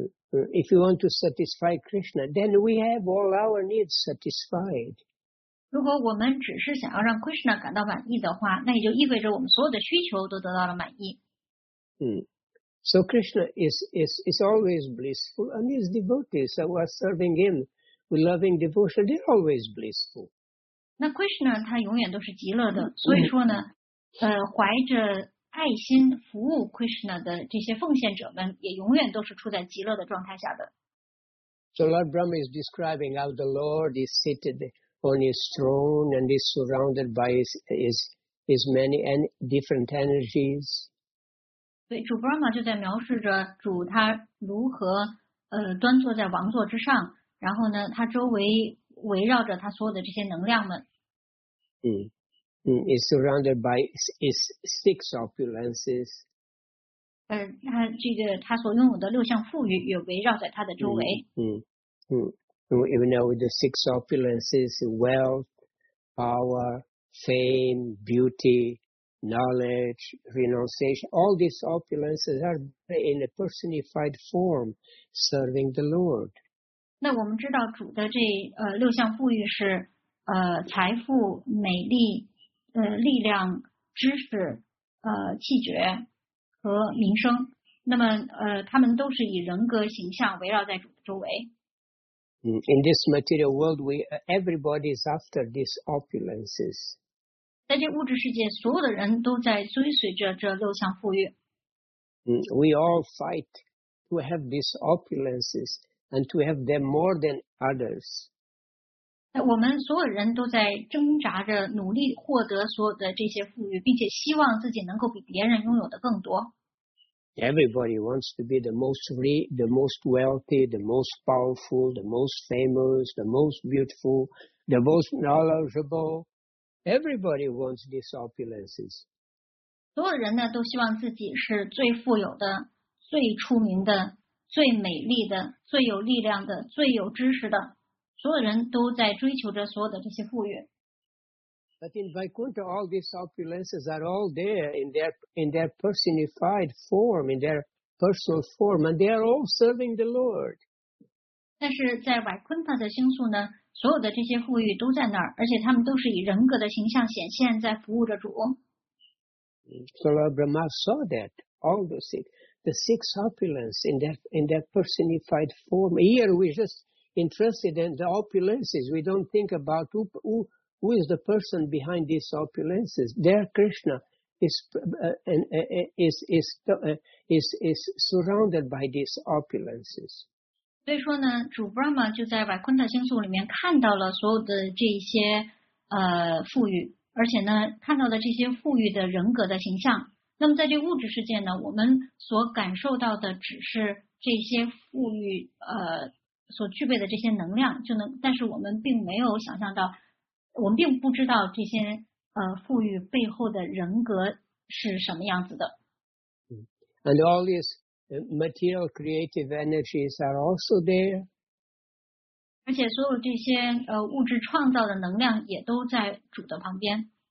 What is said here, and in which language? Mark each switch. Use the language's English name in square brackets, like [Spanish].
[English] If we want to satisfy Krishna, then we have all our needs satisfied. [Chinese] 如果我们只是想要让 Krishna 感到满意的话，那也就意味着我们所有的需求都得到了满意。 [English] So Krishna is always blissful, and his devotees who are serving him with loving devotion, they're always blissful. [Chinese] 那 Krishna 他永远都是极乐的，所以说呢，怀着爱心服务 Krishna 的这些奉献者们，也永远都是处在极乐的状态下的。 [English] So Lord Brahma is describing how the Lord is seated on his throne and is surrounded by his many and different energies. [Chinese] 对，主 Brahma 就在描述着主他如何端坐在王座之上，然后呢，他周围围绕着他所有的这些能量们。 [English] Is surrounded by his six opulences. [Chinese] 他这个他所拥有的六项富裕也围绕在他的周围。 [English] You know, with the six opulences, wealth, power, fame, beauty. Knowledge, renunciation, all these opulences are in a personified form serving the Lord. [Chinese] 那我们知道主的这六项富裕是财富、美丽、力量、知识、气绝和名声。那么他们都是以人格形象围绕在主的周围。 [English] In this material world, everybody is after these opulences. [Chinese] 在这物质世界，所有的人都在追随着这六项富裕。 [English] We all fight to have these opulences and to have them more than others. [Chinese] 我们所有人都在挣扎着努力获得所有的这些富裕，并且希望自己能够比别人拥有的更多。 [English] Everybody wants to be the most rich, the most wealthy, the most powerful, the most famous, the most beautiful, the most knowledgeable. Everybody wants these opulences. [Chinese] 所有人呢都希望自己是最富有的、最出名的、最美丽的、最有力量的、最有知识的。所有人都在追求着所有的这些富裕。 [English] But in Vaikuntha, all these opulences are all there in their personified form, in their personal form, and they are all serving the Lord. [Chinese] 但是在 Vaikuntha 的星宿呢，所有的这些富裕都在那儿，而且他们都是以人格的形象显现在服务着主。 [English] Sri Brahma saw that all the six opulences in their personified form. Here we're just interested in the opulences. We don't think about who is the person behind these opulences. There, Krishna is surrounded by these opulences. [Chinese] 所以说呢，主 Brahma 就在 Vaikuntha 星宿里面看到了所有的这些富裕。而且呢，看到了这些富裕的人格的形象。那么在这物质世界呢，我们所感受到的只是这些富裕所具备的这些能量，就能。但是我们并没有想象到，我们并不知道这些富裕背后的人格是什么样子的。 [English] And all these material creative energies are also there. [Chinese] 而且所有这些物质创造的能量也都在主的旁边。